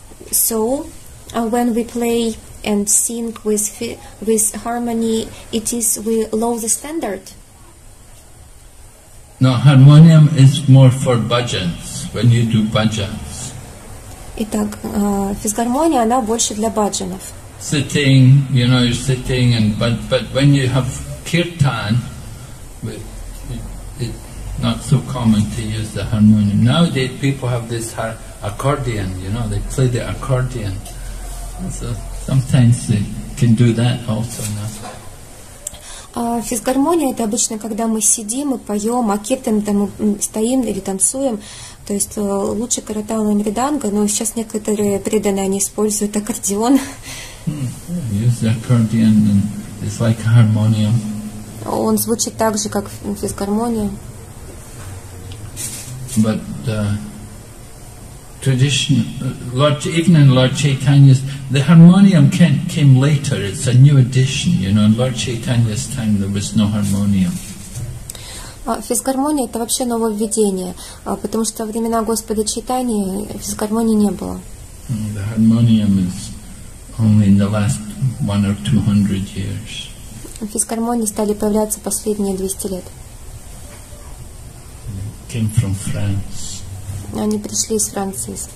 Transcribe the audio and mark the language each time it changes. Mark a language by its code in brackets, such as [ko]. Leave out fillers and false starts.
[en] So when we play and sing with harmony, it is we lower the standard? No, harmonium is more for bhajans, when you do bhajans. [ru] Итак, физгармония, она больше для бхаджанов. [en] Sitting, you know, you're sitting, and but when you have kirtan, it's not so common to use the harmonium. Nowadays, people have this accordion, you know, they play the accordion. So sometimes they can do that also now. [ru] Физгармония — это обычно, когда мы сидим и поем, а киртан — там мы стоим или танцуем. То есть лучше каратала и мриданга, но сейчас некоторые преданные, они используют аккордеон. [en] Use the accordion, it's like a harmonium. [ru] Он звучит так же, как физгармония. [en] But tradition, Lord Chaitanya's, the harmonium came later, it's a new addition, you know, in Lord Chaitanya's time there was no harmonium. [ru] Физгармония — это вообще нововведение, потому что во времена Господа Чайтаньи физгармонии не было. [en] The harmonium is only in the last 100 or 200 years. [ru] Физгармонии стали появляться последние 200 лет. [en] Came from France. [ru] Они пришли из Франции.